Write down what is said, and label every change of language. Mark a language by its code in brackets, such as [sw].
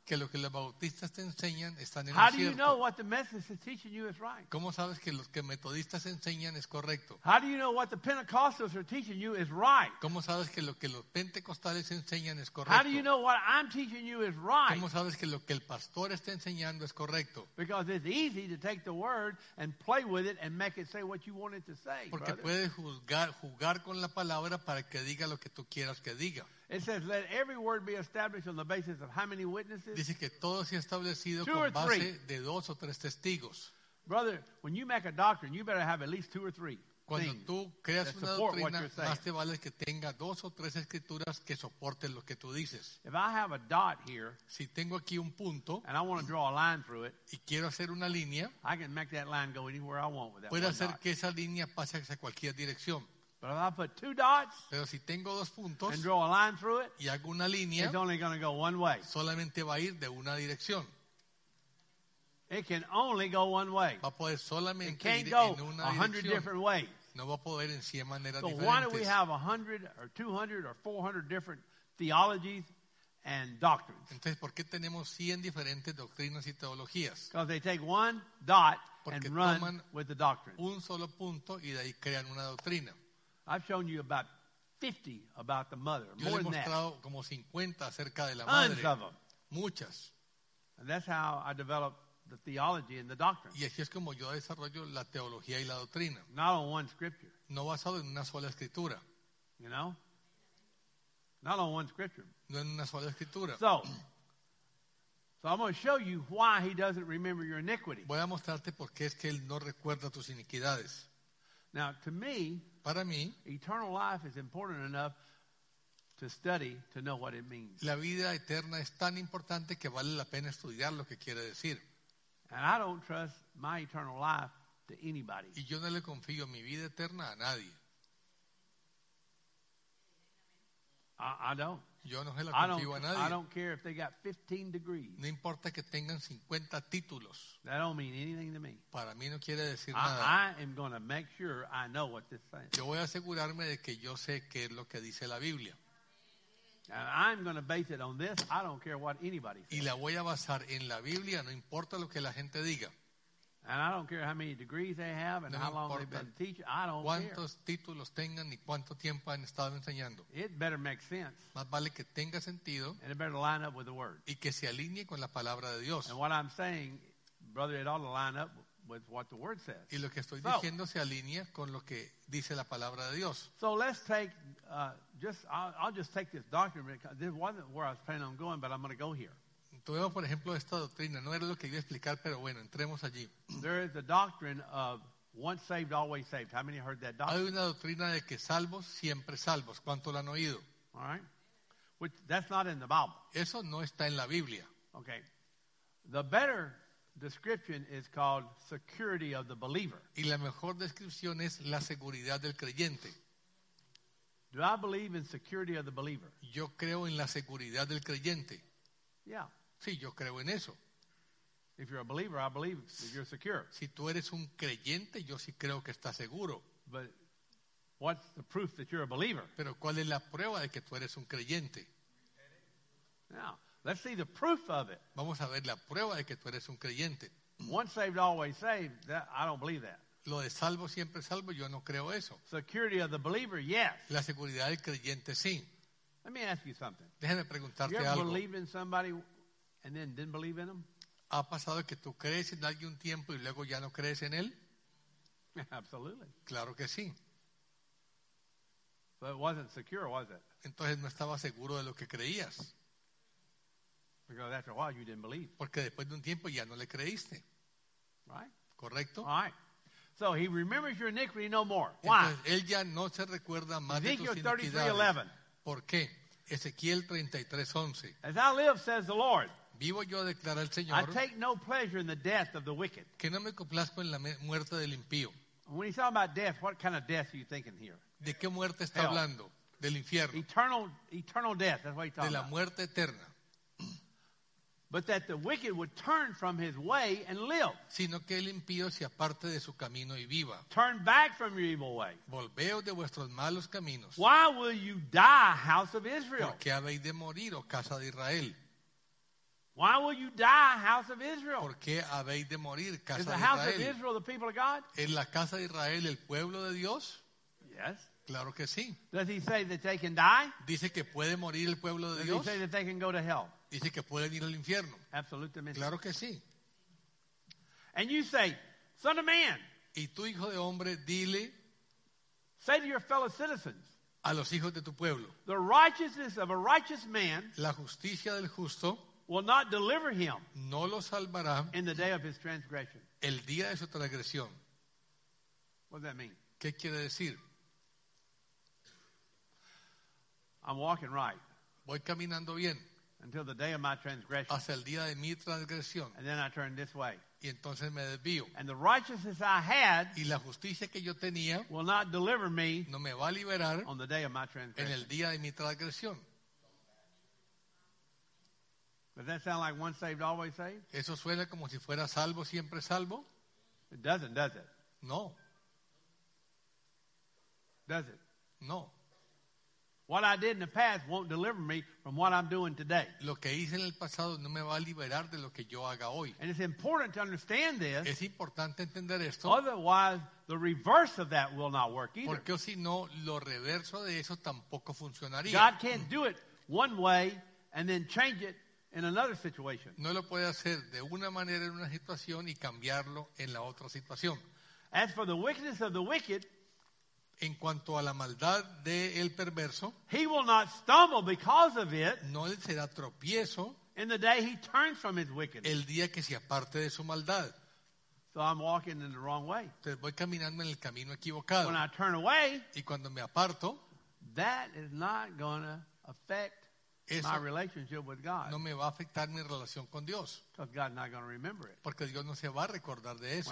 [es] Que lo que los bautistas te enseñan están en [en] How How do you know what the Methodist is teaching you is right? [es] ¿Cómo sabes que los que metodistas enseñan es correcto? [en] How do you know what the Pentecostals are teaching you is right? [es] ¿Cómo sabes que los pentecostales enseñan es correcto? [en] How do you know what I'm teaching you is right? [es] ¿Cómo sabes que lo que el pastor está enseñando es correcto? [en] Because it's easy to take the word and play with it and make it say what you want it to say. [es] Porque [en] brother. [es] Puedes jugar con la palabra para que diga lo que tú quieras que diga. [en] It says, let every word be established on the basis of how many witnesses? [es] Dice que todo sea establecido con base de dos o tres testigos. [en] Brother, when you make a doctrine, you better have at least two or three [es] Cuando tú creas una doctrina, más te vale que tenga dos o tres escrituras que soporten lo que tú dices. [en] If I have a dot here, [es] si tengo aquí un punto, [en] and I want to draw a line through it, [es] y quiero hacer una línea, [en] I can make that line go anywhere I want with that [es] puedo hacer [en] dot. [es] Que esa línea pase hacia cualquier dirección. [en] But if I put two dots, [es] pero si tengo dos puntos, [en] and draw a line through it, [es] y hago una línea, [en] it's only going to go one way. [es] Solamente va a ir de una dirección. [en] It can only go one way. [es] Va a poder solamente [en] it can't [es] ir [en] go [es] en una [en] 100 different ways. [es] No va a poder en 100 maneras [en] so [es] diferentes. [en] Why do we have 100 or 200 or 400 different theologies and doctrines? [es] Entonces, ¿por qué tenemos 100 diferentes doctrinas y teologías? [en] Because they take one dot [es] Porque [en] and run with the doctrine. [es] Un solo punto y de ahí crean una doctrina. [en] I've shown you about 50 about the mother, [es] Yo [en] more than that. [es] Yo he mostrado como 50 acerca de la [en] Tons [es] madre. [en] Of them. [es] Muchas. [en] And that's how I developed the theology and the doctrine. [es] Y así es como yo desarrollo la teología y la doctrina. [en] Not on one scripture. [es] No basado en una sola escritura. [en] You know? Not on one scripture. [es] No en una sola escritura. [en] So I'm going to show you why he doesn't remember your iniquity. [es] Voy a mostrarte por qué es que él no recuerda tus iniquidades. [en] Now, to me, [es] Para mí, [en] eternal life is important enough to study to know what it means. [es] La vida eterna es tan importante que vale la pena estudiar lo que quiere decir. [en] And I don't trust my eternal life to anybody. [es] Y yo no le confío mi vida eterna a nadie. [en] I don't. [es] Yo no se la confío a nadie. [en] I don't care if they got 15 degrees. [es] No importa que tengan 50 títulos. [en] That don't mean anything to me. [es] Para mí no quiere decir nada. [en] I am going to make sure I know what this says. [es] Yo voy a asegurarme de que yo sé qué es lo que dice la Biblia. [en] And I'm going to base it on this. I don't care what anybody says. [es] Y la voy a basar en la Biblia, no importa lo que la gente diga. [en] And I don't care how many degrees they have and [es] no [en] how long they've been teaching. I don't [es] cuántos [en] care. [es] Cuántos títulos tengan y cuánto tiempo han estado enseñando. [en] It better make sense. [es] Más vale que tenga sentido. [en] And it better line up with the word. [es] Y que se alinee con la palabra de Dios. [en] And what I'm saying, brother, it ought to line up with what the word says. [es] Y lo que estoy diciendo se alinea con lo que dice la palabra de Dios. [en] So let's take I'll just take this doctrine because this wasn't where I was planning on going, but I'm going to go here. [es] Tuvimos, por ejemplo, esta doctrina. No era lo que iba a explicar, pero bueno, entremos allí. [en] There is a doctrine of once saved, always saved. How many heard that doctrine? [es] Hay una doctrina de que salvos, siempre salvos. ¿Cuánto lo han oído? [en] All right. Which, that's not in the Bible. [es] Eso no está en la Biblia. [en] Okay. The better description is called security of the believer. [es] Y la mejor descripción es la seguridad del creyente. [en] Do I believe in security of the believer? [es] Yo creo en la seguridad del creyente. [en] Yeah. [es] Sí, yo creo en eso. [en] If you're a believer, I believe that you're secure. [es] Si tú eres un creyente, yo sí creo que estás seguro. [en] But what's the proof that you're a believer? [es] Pero ¿cuál es la prueba de que tú eres un creyente? [en] Now, let's see the proof of it. [es] Vamos a ver la prueba de que tú eres un creyente. [en] Once saved, always saved. That, I don't believe that. [es] Lo de salvo, siempre salvo, yo no creo eso. [en] Security of the believer, yes. [es] La seguridad del creyente, sí. [en] Let me ask you something. [es] Déjame preguntarte algo. [en] You ever believed in somebody and then didn't believe in them? [es] ¿Ha pasado que tú crees en alguien un tiempo y luego ya no crees en él? [en] Absolutely. [es] Claro que sí. [en] But it wasn't secure, was it? [es] Entonces no estaba seguro de lo que creías. [en] Because after a while you didn't believe. [es] Porque después de un tiempo ya no le creíste. [en] Right. [es] Correcto. [en] All right. So he remembers your iniquity no more. [es] Entonces, [en] why? [es] Él ya no se recuerda más [en] Ezekiel [es] de tus iniquidades. [en] 33:11. [es] ¿Por qué? Ezequiel 33:11. [en] As I live, says the Lord. [es] Vivo yo, declara el Señor. [en] I take no pleasure in the death of the wicked. [es] Que no me complazco en la muerte del impío. [en] When he's talking about death, what kind of death are you thinking here? [es] ¿De qué muerte está [en] Hell. [es] Hablando? Del infierno. [en] Eternal death. That's what he's talking about. [es] De la muerte eterna. [en] But that the wicked would turn from his way and live. [es] Sino que el impío se aparte de su camino y viva. [en] Turn back from your evil way. [es] Volveos de vuestros malos caminos. [en] Why will you die, house of Israel? [es] ¿Por qué habéis de morir, oh casa de Israel? [en] Why will you die, house of Israel? [es] ¿Por qué habéis de morir, casa de Israel? [en] Is the house of Israel the people of God? [es] ¿En la casa de Israel el pueblo de Dios? [en] Yes. [es] Claro que sí. [en] Does he say that they can die? [es] Dice que puede morir el pueblo de Dios. [en] Does he say that they can go to hell? [es] Dice que pueden ir al infierno. Absolutamente. Claro que sí. [en] And you say, son of man. [es] Y tú, hijo de hombre, dile. [en] Say to your fellow citizens. [es] A los hijos de tu pueblo. [en] The righteousness of a righteous man. [es] La justicia del justo. [en] Will not deliver him. [es] No lo salvará. [en] In the day of his transgression. [es] El día de su transgresión. [en] What does that mean? [es] ¿Qué quiere decir? [en] I'm walking right. [es] Voy caminando bien. [en] Until the day of my transgression. [es] Hasta el día de mi transgresión. [en] And then I turn this way. [es] Y entonces me desvío. [en] And the righteousness I had. [es] Y la justicia que yo tenía. [en] Will not deliver me. [es] No me va a liberar. [en] On the day of my transgression. [es] En el día de mi transgresión. [en] Does that sound like once saved, always saved? [es] Eso suena como si fuera salvo, siempre salvo. [en] It doesn't, does it? [es] No. [en] Does it? [es] No. [en] What I did in the past won't deliver me from what I'm doing today. [es] Lo que hice en el pasado no me va a liberar de lo que yo haga hoy. [en] And it's important to understand this. [es] Es importante entender esto. [en] Otherwise, the reverse of that will not work either. [es] Porque si no, lo reverso de eso tampoco funcionaría. [en] God can't do it one way and then change it in another situation. [es] No lo puede hacer de una manera en una situación y cambiarlo en la otra situación. [en] As for the wickedness of the wicked. [es] En cuanto a la maldad del perverso, [en] he will not stumble because of it. [es] No será tropiezo. [en] In the day he turns from his wickedness. [es] El día que se aparte de su maldad. [en] So I'm walking in the wrong way. [es] Entonces voy caminando en el camino equivocado. [en] When I turn away, [es] y cuando me aparto, [en] that is not going to affect my relationship with God. [es] No me va a afectar mi relación con Dios. [en] Because God's not going to remember it. [es] Porque Dios no se va a recordar de eso.